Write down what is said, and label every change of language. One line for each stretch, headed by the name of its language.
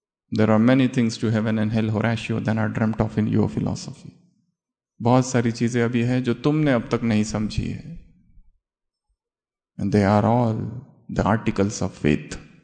English: There are many things to heaven and hell, Horatio, than are dreamt of in your philosophy.
Hindi: बहुत सारी चीजें अभी हैं जो तुमने अब तक नहीं समझी है.
English: And they are all the articles of faith.